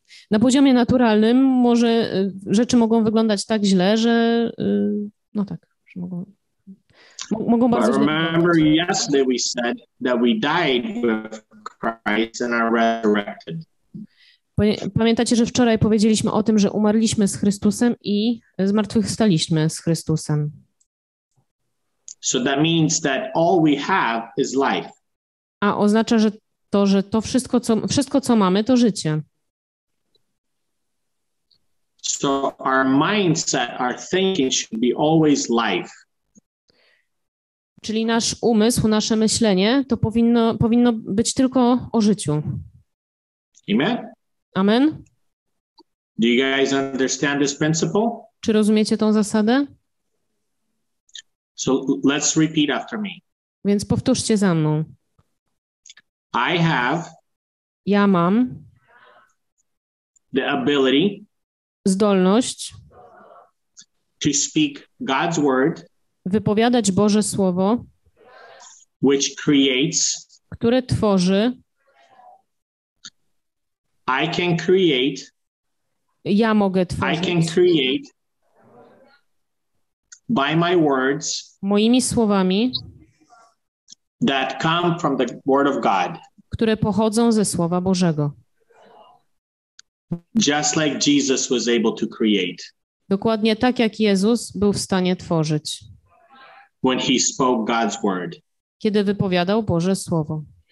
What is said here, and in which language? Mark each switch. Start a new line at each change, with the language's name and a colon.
Polish: Na poziomie naturalnym może rzeczy mogą wyglądać tak źle, że no tak, że mogą bardzo źle.
English: Remember yesterday we said that we died with Christ and are resurrected.
Polish: Pamiętacie, że wczoraj powiedzieliśmy o tym, że umarliśmy z Chrystusem i zmartwychwstaliśmy z Chrystusem.
English: So that means that all we have is life.
Polish: A oznacza, że to wszystko co mamy, to życie.
English: So our mindset, our thinking should be always life.
Polish: Czyli nasz umysł, nasze myślenie, to powinno być tylko o życiu.
English: Amen.
Polish: Amen.
English: Do you guys understand this principle?
Polish: Czy rozumiecie tą zasadę?
English: So let's repeat after me.
Polish: Więc powtórzcie za mną.
English: I have.
Polish: Ja mam.
English: The ability.
Polish: Zdolność.
English: To speak God's word.
Polish: Wypowiadać Boże Słowo.
English: Which creates.
Polish: Które tworzy.
English: I can create.
Polish: Ja mogę tworzyć.
English: I can create by my words.
Polish: Moimi słowami.
English: That come from the word of God.
Polish: Które pochodzą ze Słowa Bożego.
English: Just like Jesus was able to create.
Polish: Dokładnie tak jak Jezus był w stanie tworzyć.
English: When he spoke God's word.
Polish: Kiedy wypowiadał Boże Słowo.